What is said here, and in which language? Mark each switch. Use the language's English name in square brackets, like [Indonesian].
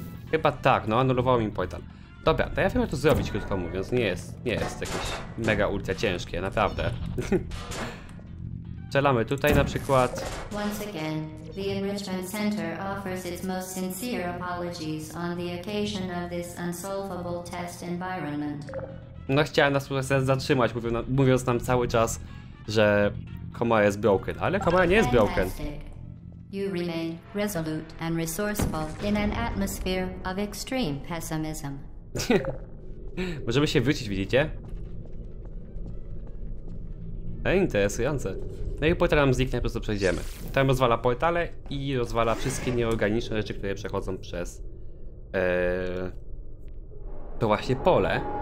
[Polish] Chyba tak, no anulowało mi portal. Dobra, to ja wiem, jak to zrobić, krótko mówiąc. Nie jest jakieś mega ultra ciężkie, naprawdę. Czelamy tutaj na przykład. [English] Once again, the Enrichment Center offers its most sincere apologies on the occasion of this unsolvable test environment. [Polish] No chciałem nas zatrzymać, mówiąc nam cały czas, że komoja jest broken, ale komoja nie jest broken. [English] You remain resolute and resourceful in an atmosphere of extreme pessimism. [Polish] Możemy się wrócić, widzicie? Interesujące. No i portal nam zniknie, po prostu przejdziemy. Tam rozwala portale i rozwala wszystkie nieorganiczne rzeczy, które przechodzą przez to właśnie pole.